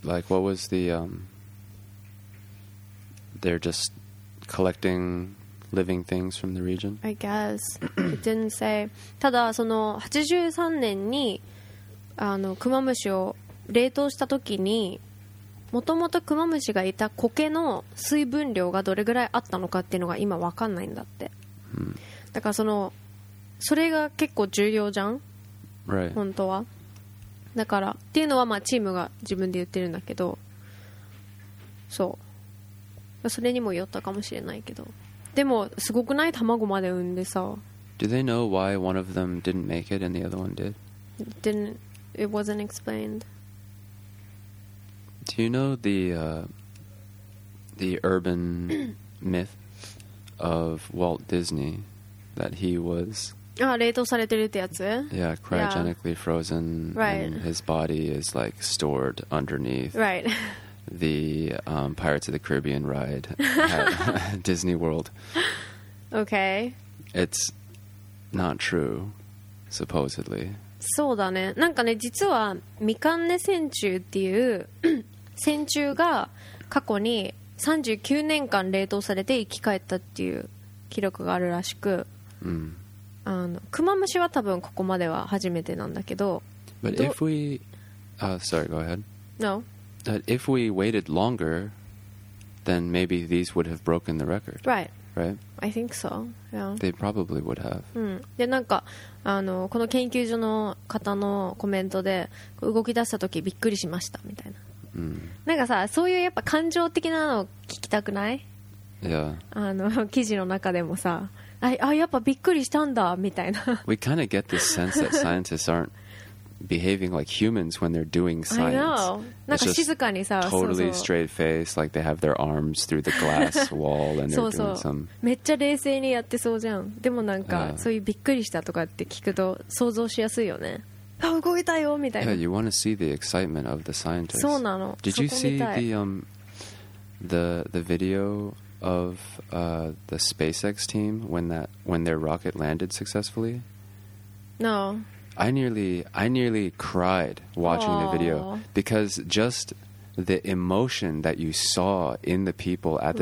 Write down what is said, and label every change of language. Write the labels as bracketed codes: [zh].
[en] Like, what was the, they're just collecting living things from the region? I guess. It didn't say. [ja] ただ、その83年に、あの、クマムシを冷凍した時に、もともとクマムシがいた苔の水分量がどれぐらいあったのかっていうのが今わかんないんだって。だからその、それが結構重要じゃん。 [en] Right. [ja] 本当は。だからっていうのはまあチームが自分で言ってるんだけど、そう、それにもよったかもしれないけど、でもすごくない、卵まで産んでさ。 [en] Do they know why one of them didn't make it and the other one did? It wasn't explained. Do you know the urban myth of Walt Disney that he was? [ja] ああ、冷凍されてるってやつ? [en] Yeah, cryogenically yeah. frozen, right. and his body is like stored underneath right. the Pirates of the Caribbean ride at Disney World. Okay. It's not true, supposedly. [ja] そうだね。なんかね、実はミカンネ線虫っていう線虫が過去に39年間冷凍されて生き返ったっていう記録があるらしく。うん。あのクマムシは多分ここまでは初めてなんだけど。 [en] But if we, sorry, go ahead. No. But if we waited longer, then maybe these would have broken the record. Right. Right. I think so. Yeah. They probably would have. [ja] うん。でなんかあのこの研究所の方のコメントで動き出した時びっくりしましたみたいな。うん。なんかさそういうやっぱ感情的なの聞きたくない [en] ？Yeah. [ja] あの記事の中でもさ。あ、やっぱびっくりしたんだみたいな。 [en] We kind of get this sense that scientists aren't behaving like humans when they're doing science. I know. [ja] なんか静かにさ、 [en] totally straight face, like they have their arms through the glass wall and they're doing some. [ja] めっちゃ冷静にやってそうじゃん。でもなんかそういうびっくりしたとかって聞くと想像しやすいよね。あ、動いたよみたいな。 [en] Yeah, you want to see the excitement of the scientists. [ja] そうなの。 [en] Did you see the video? Of the SpaceX team when their rocket landed successfully. No. I nearly cried watching Aww. The video because just the emotion that you saw in the people at the